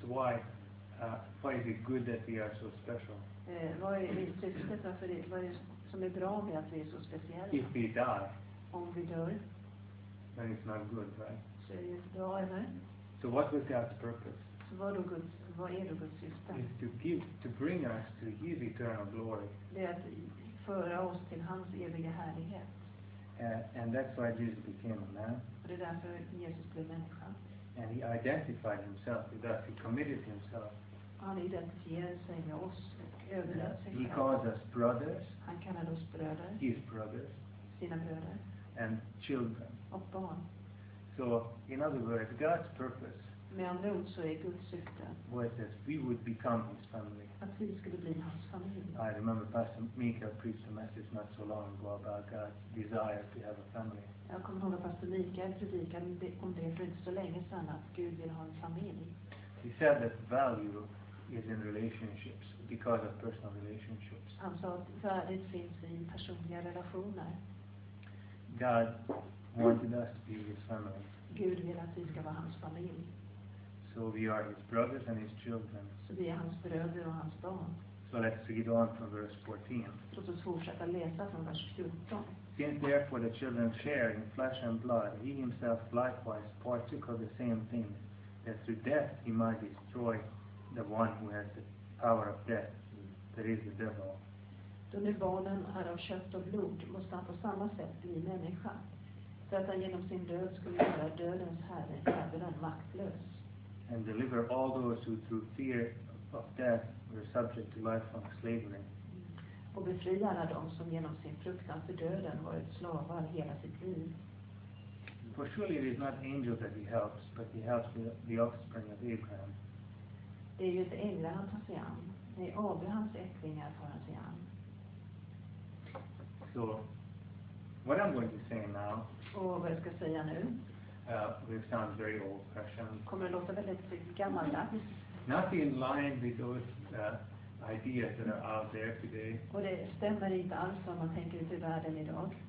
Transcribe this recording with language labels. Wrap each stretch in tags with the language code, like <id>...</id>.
<en>Why is it good that we are so special?</en> <sv>Vad är syftet? Varför det? Vad är som är bra med att vi är så speciella?</sv> <en>If we die.</en> <sv>Om vi dör.</sv> <en>Then it's not good, right?</en> <sv>Så är det inte bra, eller?</sv> <en>So what was God's purpose?</en> <sv>Så vad är Guds, vad är Guds syfte?</sv> <en>Is to give, to bring us to His eternal glory.</en> <sv>Det är att föra oss till hans eviga härlighet.</sv> <en>And that's why Jesus became a man.</en> <sv>Och det är därför Jesus blev människa.</sv> <en>And he identified himself with us. He committed himself.</en> <sv>Han identifierade sig med oss och överlät sig.</sv> <en>He calls us brothers.</en> <sv>Han kallar oss bröder.</sv> <en>His brothers.</en> <sv>Sina bröder.</sv> <en>And children.</en> <sv>Och barn.</sv> <en>So, in other words, God's purpose.</en> <sv>Med andra ord så är Guds syfte.</sv> <en>Was that we would become His family.</en> <sv>Att vi skulle bli hans familj.</sv> <en>I remember Pastor Mikael preached a message not so long ago about God's desire to have a family.</en> <sv>Jag kommer ihåg att Pastor Mikael predikade om det för inte så länge sedan att Gud vill ha en familj.</sv> <en>He said that value is in relationships because of personal relationships.</en> <sv>Han sa att värdet finns i personliga relationer.</sv> <en>God wanted us to be His family.</en> <sv>Gud vill att vi ska vara hans familj.</sv> <en>So we are His brothers and His children.</en> <sv>Så vi är hans bröder och hans barn.</sv> <en>So let's read on from verse 14.</en> <sv>Låt oss fortsätta läsa från vers 14.</sv> <en>Since therefore the children share in flesh and blood, He Himself likewise partook of the same things, that through death He might destroy the one who has the power of death, that is the devil.</en> <sv>Då nu barnen är av kött och blod, måste han på samma sätt bli människa. Så att han genom sin död skulle göra dödens herre djävulen maktlös.</sv> <en>And deliver all those who through fear of death were subject to lifelong slavery.</en> <sv>Och befria alla de som genom sin fruktan för döden varit slavar hela sitt liv.</sv> <en>For surely it is not angels that he helps, but he helps the offspring of Abraham.</en> <sv>Det är ju inte änglar han tar sig an, det är Abrahams ättlingar tar han sig an.</sv> <en>So, what I'm going to say now.</en> <sv>Och vad jag ska säga nu.</sv> <en>Will sound very old-fashioned.</en> <sv>Kommer att låta väldigt gammaldags.</sv> <en>Not in line with those ideas that are out there today.</en> <sv>Och det stämmer inte alls om man tänker ut i världen idag.</sv>